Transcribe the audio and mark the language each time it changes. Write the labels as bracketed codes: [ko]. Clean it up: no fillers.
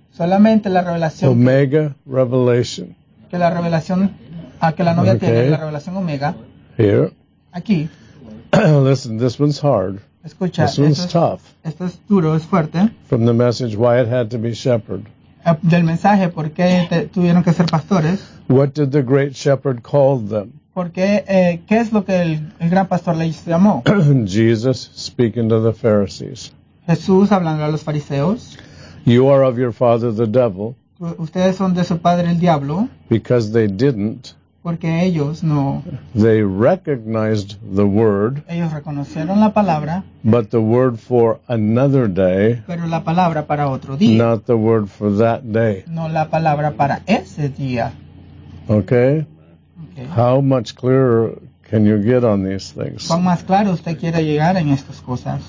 [es] Solamente la revelación. [en] Omega revelation. [es] Que la revelación, que la novia [en] okay. [es] tiene, la revelación Omega. [en] Here. [es] Aquí. [en] Listen, this one's hard. [es] Escucha, [en] this one's tough. [es] Esto es duro, es fuerte. [en] From the message, why it had to be shepherd. [es] Del mensaje, ¿por qué tuvieron que ser pastores? [en] What did the great shepherd call them? [es] Porque, ¿qué es lo que el gran pastor les llamó? [en] Jesus speaking to the Pharisees. [es] Jesús hablando a los fariseos. [en] You are of your father the devil. [es] Ustedes son de su padre el diablo. [en] Because they didn't. [es] Porque ellos no. [en] They recognized the word. [es] Ellos reconocieron la palabra. [en] But the word for another day. [es] Pero la palabra para otro día. [en] Not the word for that day. [es] No la palabra para ese día. [en] Okay. How much clearer can you get on these things? [es] ¿Cuán más claro usted quiere llegar en estas cosas?